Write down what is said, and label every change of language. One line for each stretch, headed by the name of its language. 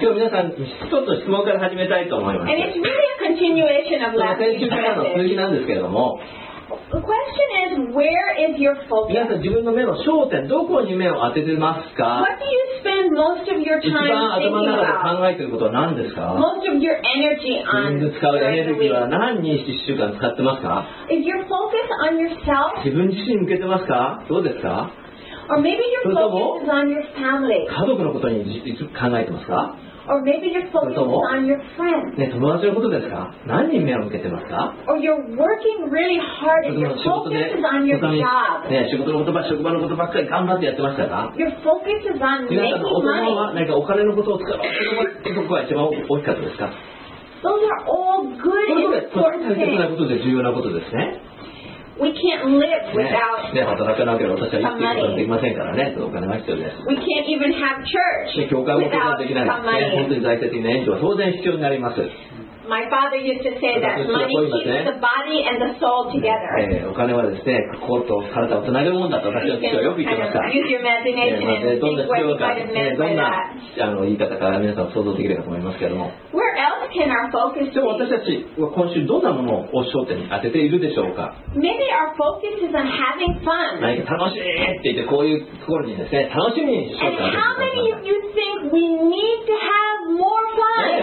Japanese: 今日皆さん、ちょっと質問から始めたいと思います。
English: And it's really a continuation of last week's message.
Japanese: 先週からの続きなんですけれども。
English: The question is, where is your focus?
Japanese: 皆さん、自分の目の焦点、どこに目を当ててますか?
English: What do you spend most of your time thinking about?
Japanese: 一番頭の中で考えていることは何ですか?
English: Most of your energy on your week.
Japanese: 自分で使うエネルギーは何に1週間使ってますか?
English: Is your focus on yourself?
Japanese: 自分自身に向けてますか? どうですか?
English: Or maybe your focus is on your family.
Japanese: 家族のことに考えてますか?
English: Or maybe your focus is on your friends.
Japanese: ね、友達のことですか? 何に目を向けてますか?
English: Or you're working really hard and your focus is on your job.
Japanese: ね、仕事のことば、職場のことばっかり頑張ってやってましたか?
English: Your focus is on making money.
Japanese: 皆さんの大人は何かお金のことを使う。どこが一番大きかったですか?
English: Those are all good important things.
Japanese: 大切なことで重要なことですね。
English: We can't live without money.
Japanese: ね、働かなければ私は生きていくことができませんからね。お金が必要です。
English: We can't even have church without
Japanese: 教会も存在できないですね。本当に財政的な援助は当然必要になります。
English: My father used to say that money keeps the body and the soul together.
Japanese: お金はですね、心と体をつなげるものだと私は父はよく言ってました。
English: Use your imagination and think what might have meant by that.
Japanese: どんな言い方か皆さん想像できると思いますけれども。
English: Where else can our focus be?
Japanese: 私たちは今週どんなものを焦点に当てているでしょうか。
English: Maybe our focus is on having fun.
Japanese: 何か楽しいって言ってこういうところにですね、楽しみにしようか。
English: And how many of you think we need to have more fun?